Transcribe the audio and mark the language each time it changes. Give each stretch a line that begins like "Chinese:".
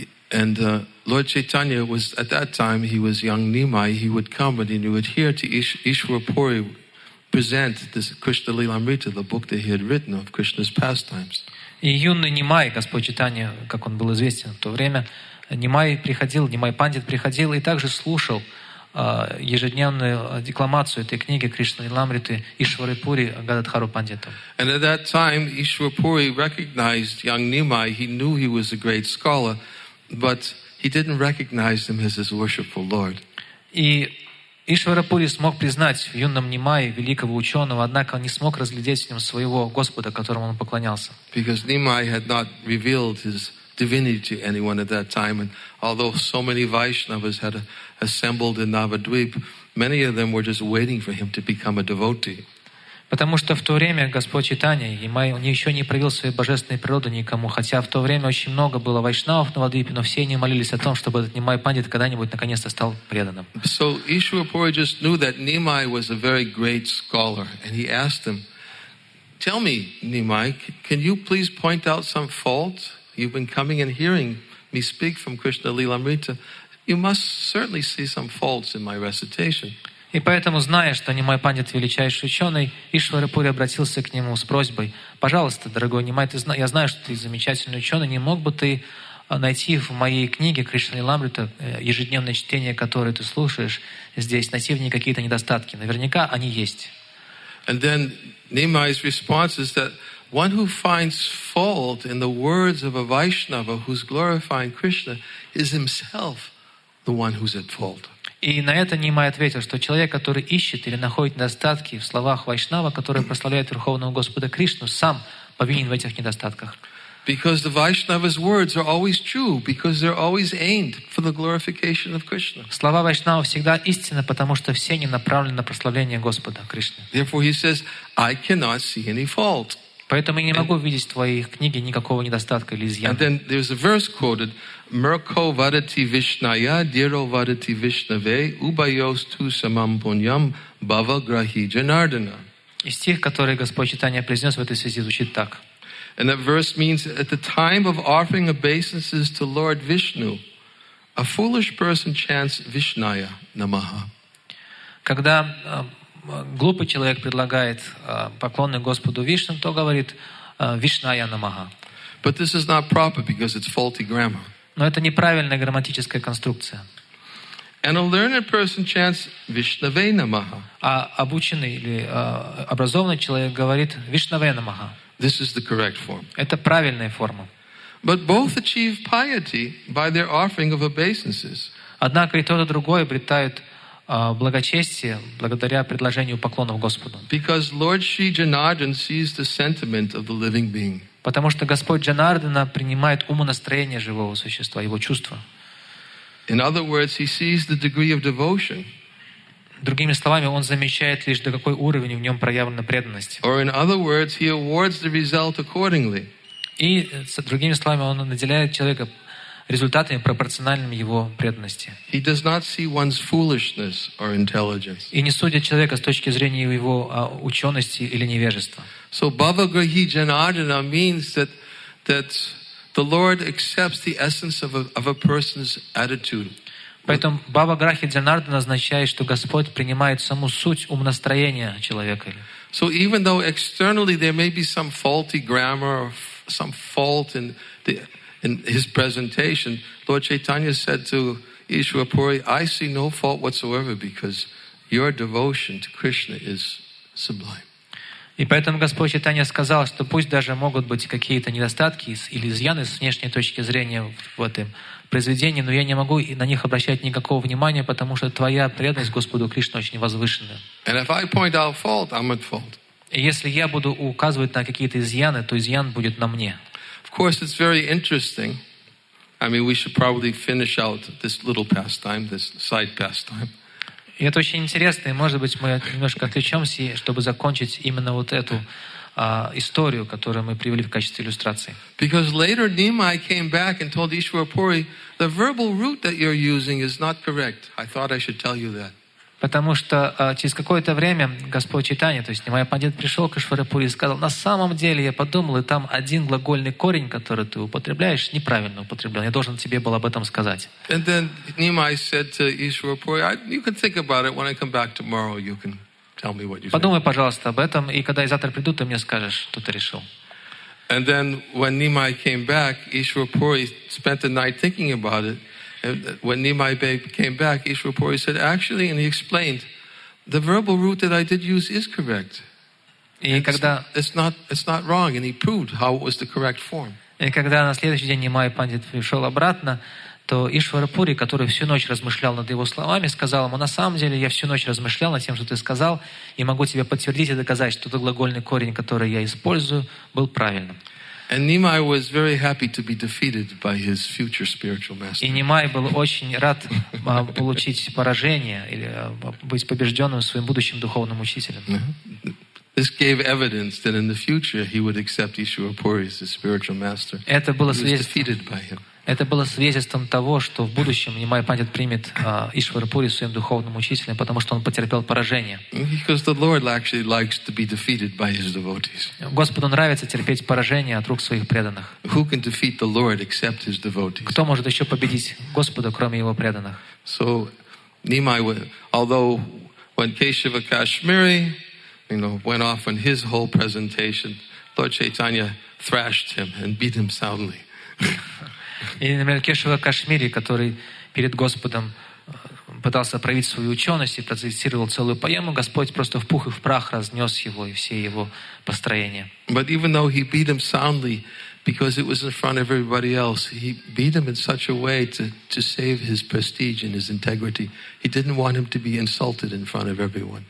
English: And Lord Chaitanya was at that time he was young Nimai. He would come and he would hear to Ishwara Puri present this Krishna Lilamrita, the book that he had written of Krishna's pastimes.
Russian: И юный Нимай, Господь Чайтанья, как он был известен в то время, Нимай Пандит приходил и также слушал ежедневную декламацию этой книги Кришна Лиламриты Ишвары Пури Гададхару Пандиту.
English: And at that time Ishwara Puri recognized young Nimai. He knew he was a great scholar, but he didn't recognize him as his worshipful Lord.
Russian: И Ишвара Пури смог признать в юном Нимае великого ученого, однако он не смог разглядеть в нем своего Господа, которому он поклонялся.
English: Because Nimai had not revealed his divinity to anyone at that time. And although so many Vaishnavas had assembled in Navadvip, many of them were just waiting for him to become a devotee.
Russian: Потому что в то время Господь Чайтанья еще не проявил своей божественной природы никому, хотя в то время очень много было вайшнавов на Вадвипе, но все они молились о том, чтобы этот Нимай Пандит когда-нибудь наконец-то стал преданным.
English: So Ishwara Puri just knew that Nimai was a very great scholar, and he asked him, "Tell me, Nimai, can you please point out some fault? You've been coming and hearing me speak from Krishna Lilamrita. You must certainly see some faults in my recitation."
Russian: И поэтому, зная, что Нимай Пандит величайший ученый, Ишвара Пури обратился к нему с просьбой: «Пожалуйста, дорогой Нимай, я знаю, что ты замечательный ученый, не мог бы ты найти в моей книге Кришналиламрита, ежедневное чтение, которое ты слушаешь здесь, найти в ней какие-то недостатки? Наверняка они есть».
English: And then Nimai's response is that one who finds fault in the words of a Vaishnava who's glorifying Krishna is himself the one who's at fault.
Russian: И на это Нимай ответил, что человек, который ищет или находит недостатки в словах вайшнава, который прославляет Верховного Господа Кришну, сам повинен в этих недостатках.
English: Because the Vaishnava's words are always true, because they're always aimed for the glorification of Krishna.
Russian: Слова вайшнава всегда истинны, потому что все они направлены на прославление Господа Кришны.
English: Therefore he says, I cannot see any fault.
Russian: Поэтому я не могу видеть в твоей книге никакого недостатка или изъяна.
English: And then there's a verse quoted:
Sanskrit: "Mrko vadati Vishnaya, Diro vadati Vishnave, Ubayos tu samam punyam, Bava grahi Janardana."
Russian: И стих, который Господь Чайтанья произнес в этой связи, звучит так.
English: And that verse means: "At the time of offering obeisances to Lord Vishnu, a foolish person chants Vishnaya Namaha."
Russian: Когда глупый человек предлагает поклоны Господу Вишну, то говорит «Вишная намага».
English: But this is not proper because it's faulty grammar.
Russian: Но это неправильная грамматическая конструкция.
English: And a learned person chants
Sanskrit: «Вишнаве намага».
Russian: А обученный или образованный человек говорит «Вишнаве намага».
English: This is the correct form.
Russian: Это правильная форма.
English: But both achieve piety by their offering of obeisances.
Russian: Однако и тот, и другой обретают благочестие благодаря предложению поклонов Господу.
English: Because Lord Shri Janardhan sees the sentiment of the living being.
Russian: Потому что Господь Джанардана принимает умонастроение живого существа, его чувства.
English: In other words, he sees the degree of devotion.
Russian: Другими словами, он замечает лишь, до какой уровень в нем проявлена преданность.
English: Or in other words, he awards the result accordingly.
Russian: И другими словами, он наделяет человека результатами, пропорциональными его преданности.
English: He does not see one's foolishness or intelligence.
Russian: И не судит человека с точки зрения его учености или невежества.
English: So Bhava Grahi Janardana means that the Lord accepts the essence of a person's attitude.
Russian: Поэтому Бхава Грахи Джанардана означает, что Господь принимает саму суть умонастроения человека.
English: So even though externally there may be some faulty grammar or some fault in his presentation, Lord Chaitanya said to Ishwara Puri, "I see no fault whatsoever because your devotion to Krishna is sublime."
Russian: И поэтому Господь Чайтанья сказал, что пусть даже могут быть какие-то недостатки или изъяны с внешней точки зрения в этом произведении, но я не могу на них обращать никакого внимания, потому что твоя преданность Господу Кришне очень возвышенная.
English: And if I point out fault, I'm at fault.
Russian: И если я буду указывать на какие-то изъяны, то изъян будет на мне.
English: Of course, it's very interesting. I mean, we should probably finish out this little pastime, this side pastime.
Russian: И это очень интересно, и, может быть, мы немножко отвлечемся, чтобы закончить именно вот эту историю, которую мы привели в качестве иллюстрации.
English: Because later Nimai came back and told Ishwara Puri, "The verbal root that you're using is not correct. I thought I should tell you that."
Russian: Потому что через какое-то время Господь Чайтанья, то есть Нимай Пандит, пришел к Ишвара Пури и сказал: "На самом деле я подумал, и там один глагольный корень, который ты употребляешь, неправильно употреблен. Я должен тебе был об этом сказать."
English: And then Nimai said to Ishwara Puri, "You can think about it when I come back tomorrow. You can tell me what you said."
Russian: Подумай, пожалуйста, об этом, и когда я завтра приду, ты мне скажешь, что ты решил.
English: And then when Nimai came back, Ishwara Puri spent the night thinking about it. And when Nimai came back, Ishwara Puri said, "Actually," and he explained, "the verbal root that I did use is correct. It's not wrong." And he proved how it was the correct form.
Russian: И когда на следующий день Нимай Пандит пришел обратно, то Ишвара Пури, который всю ночь размышлял над его словами, сказал ему: "На самом деле я всю ночь размышлял над тем, что ты сказал, и могу тебе подтвердить и доказать, что тот глагольный корень, который я использую, был правильным."
English: And Nehemiah was very happy to be defeated by his future spiritual master.
Russian: И Нимай был очень рад получить поражение или быть побежденным своим будущим духовным учителем.
English: This gave evidence that in the future he would accept Yeshua Puri as his spiritual master.
Russian: Это было свидетельством.
English: He was defeated by him.
Russian: Это было свидетельством того, что в будущем Нимай Пандит примет Ишвара Пури своим духовным учителем, потому что он потерпел поражение.
English: Because the Lord actually likes to be defeated by his devotees.
Russian: Господу нравится терпеть поражение от рук своих преданных.
English: Who can defeat the Lord except his devotees?
Russian: Кто может еще победить Господа, кроме его преданных?
English: So Nimai, although when Keshava Kashmiri, you know, went off on his whole presentation, Lord Chaitanya thrashed him and beat him soundly.
Russian: И, например, Кешава Кашмири, который перед Господом пытался проявить свою ученость и процитировал целую поэму, Господь просто в пух и в прах разнес его и все его построения.
English: But even though he beat him soundly, because it was in front of everybody else, he beat him in such a way to save his prestige and his integrity. He didn't want him to be insulted in front of everyone.